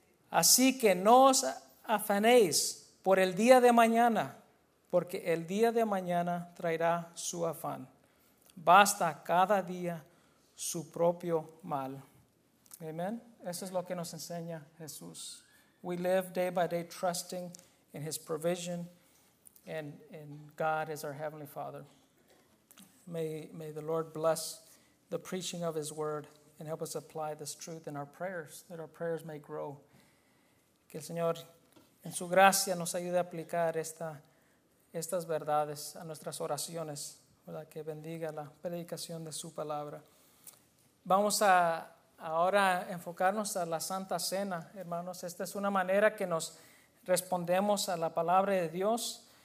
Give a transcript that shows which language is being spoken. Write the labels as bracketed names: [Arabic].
[Spanish] Así que no os afanéis por el día de mañana, porque el día de mañana traerá su afán. Basta cada día su propio mal. Amen. Eso es lo que nos enseña Jesús. [English] We live day by day trusting in his provision, and God is our heavenly Father. May the Lord bless the preaching of his word and help us apply this truth in our prayers, that our prayers may grow. [Spanish] Que el Señor en su gracia nos ayude a aplicar estas verdades a nuestras oraciones, ¿verdad? Que bendiga la predicación de su palabra. Vamos a ahora enfocarnos a la Santa Cena, hermanos. Esta es una manera que nos respondemos a la palabra de Dios.